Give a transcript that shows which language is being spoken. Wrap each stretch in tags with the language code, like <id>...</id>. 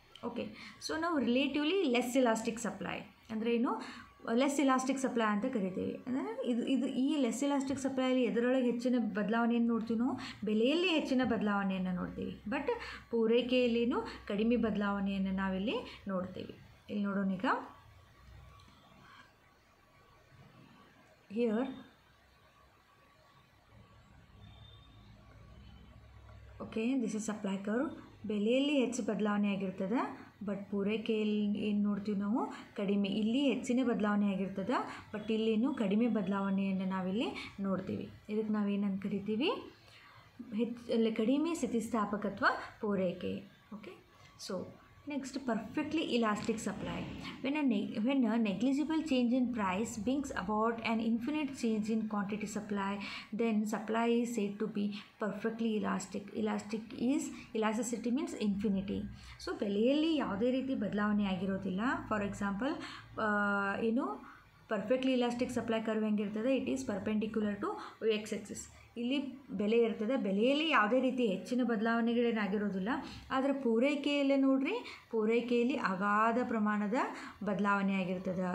<kn>Okay, so ನಾವು relatively less elastic supply ಅಂದರೆ ಏನು, ಲೆಸ್ ಇಲಾಸ್ಟಿಕ್ ಸಪ್ಲೈ ಅಂತ ಕರಿತೀವಿ. ಅಂದರೆ ಇದು ಈ ಲೆಸ್ ಇಲಾಸ್ಟಿಕ್ ಸಪ್ಲೈಲಿ ಎದರೊಳಗೆ ಹೆಚ್ಚಿನ ಬದಲಾವಣೆಯನ್ನು ನೋಡ್ತೀವಿ ನಾವು, ಬೆಲೆಯಲ್ಲಿ ಹೆಚ್ಚಿನ ಬದಲಾವಣೆಯನ್ನು ನೋಡ್ತೀವಿ, ಬಟ್ ಪೂರೈಕೆಯಲ್ಲಿನೂ ಕಡಿಮೆ ಬದಲಾವಣೆಯನ್ನು ನಾವಿಲ್ಲಿ ನೋಡ್ತೀವಿ. ಇಲ್ಲಿ ನೋಡೋಣ, ಈಗ</kn> <en>here, okay, this is supply curve.</en> <kn>ಬೆಲೆಯಲ್ಲಿ ಹೆಚ್ಚು ಬದಲಾವಣೆ ಆಗಿರ್ತದೆ, ಬಟ್ ಪೂರೈಕೆಯಲ್ಲಿ ಏನು ನೋಡ್ತೀವಿ ನಾವು, ಕಡಿಮೆ. ಇಲ್ಲಿ ಹೆಚ್ಚಿನ ಬದಲಾವಣೆ ಆಗಿರ್ತದೆ, ಬಟ್ ಇಲ್ಲಿ ಇನ್ನೂ ಕಡಿಮೆ ಬದಲಾವಣೆಯನ್ನು ನಾವಿಲ್ಲಿ ನೋಡ್ತೀವಿ. ಇದಕ್ಕೆ ನಾವೇನನ್ನು ಕರಿತೀವಿ, ಹೆಚ್ಚು ಕಡಿಮೆ ಸ್ಥಿತಿಸ್ಥಾಪಕತ್ವ ಪೂರೈಕೆ. Okay, so</kn> <en>Next, perfectly elastic supply. When a negligible change in price brings about an infinite change in quantity supply, then supply is said to be perfectly elastic. Elasticity means infinity.</en> <kn>So, ಬೆಲೆಯಲ್ಲಿ ಯಾವುದೇ ರೀತಿ ಬದಲಾವಣೆ ಆಗಿರೋದಿಲ್ಲ. For example, ಏನು perfectly elastic supply curve ಹೆಂಗಿರ್ತದೆ?</kn> <en>It is perpendicular to X axis.</en> <kn>ಇಲ್ಲಿ ಬೆಲೆ ಇರ್ತದೆ, ಬೆಲೆಯಲ್ಲಿ ಯಾವುದೇ ರೀತಿ ಹೆಚ್ಚಿನ ಬದಲಾವಣೆಗಳೇನಾಗಿರೋದಿಲ್ಲ. ಆದರೆ ಪೂರೈಕೆಯಲ್ಲೇ ನೋಡ್ರಿ, ಪೂರೈಕೆಯಲ್ಲಿ ಅಗಾಧ ಪ್ರಮಾಣದ ಬದಲಾವಣೆ ಆಗಿರ್ತದೆ.</kn>